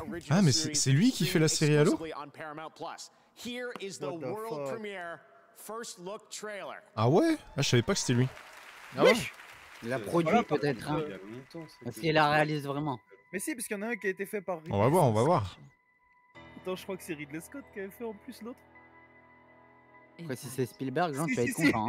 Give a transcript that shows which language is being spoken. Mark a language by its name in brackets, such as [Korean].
[French] Ah mais c'est lui qui fait la série Halo. [English] Here is the world premiere first look trailer. [French] Ah ouais, ah, je savais pas que c'était lui. Ah ouais. Il a produit peut-être. Est-ce qu'il a réalisé vraiment? Mais si, parce qu'il y en a un qui a été fait par. On va voir. Attends, je crois que c'est Ridley Scott qui avait fait en plus l'autre. Quoi, si c'est Spielberg, Jean, tu vas être content.